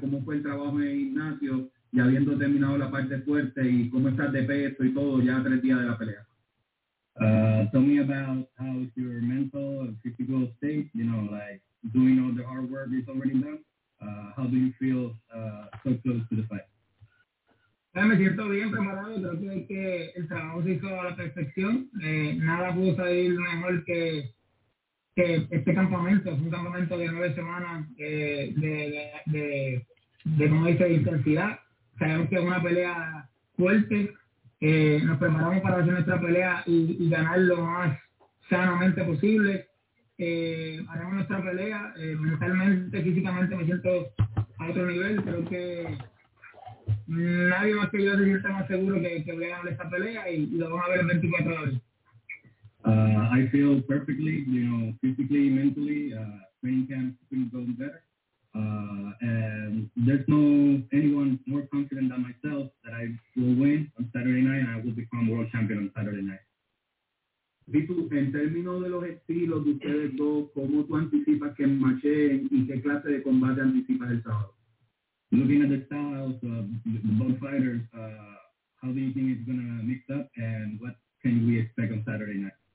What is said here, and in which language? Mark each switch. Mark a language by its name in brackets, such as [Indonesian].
[Spanish] ¿Cómo fue el trabajo en el gimnasio? Y habiendo terminado la parte fuerte, ¿y cómo estás de peso y todo ya tres días de la pelea? [English] Tell me about how is your mental and physical state, you know, like doing all the hard work you've already done. How do you feel so close to the fight? [Spanish] Me siento bien, camarada. Creo que el trabajo se hizo a la perfección. Nada pudo salir mejor que este campamento. Es un campamento de 9 semanas de como dice, intensidad. Sabemos que es una pelea fuerte. Nos preparamos para hacer nuestra pelea y ganar lo más sanamente posible. Haremos nuestra pelea. Mentalmente, físicamente me siento a otro nivel. Creo que nadie más que yo se sienta más seguro que voy a ganar esta pelea y lo vamos a ver en 24 horas. [English] I feel perfectly, you know, physically, mentally, training camp couldn't go better. And there's no anyone more confident than myself that I will win on Saturday night and I will become world champion on Saturday night. [Spanish] Vito, en términos de los estilos de ustedes dos, ¿cómo tú anticipas que marchen y qué clase de combate anticipas el sábado? [English] Looking at the styles of both fighters, how do you think it's going to mix up and what can we expect on Saturday night?